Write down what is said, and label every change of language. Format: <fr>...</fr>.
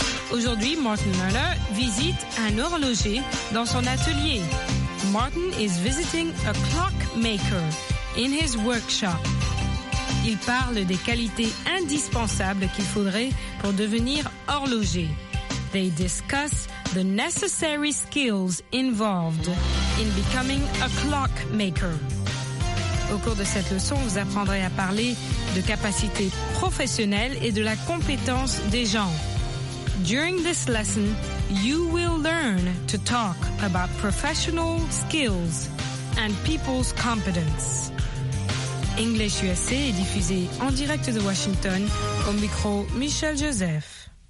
<fr>Aujourd'hui, Martin Muller visite un horloger dans son atelier.</fr> <en>Martin is visiting a clockmaker in his workshop.</en> <fr>Il parle des qualités indispensables qu'il faudrait pour devenir horloger.</fr> <en>They discuss the necessary skills involved in becoming a clockmaker.</en> <fr>Au cours de cette leçon, vous apprendrez à parler de capacités professionnelles et de la compétence des gens.</fr> <en>During this lesson, you will learn to talk about professional skills and people's competence.</en> <fr>English USA est diffusé en direct de Washington au micro Michel Joseph.</fr>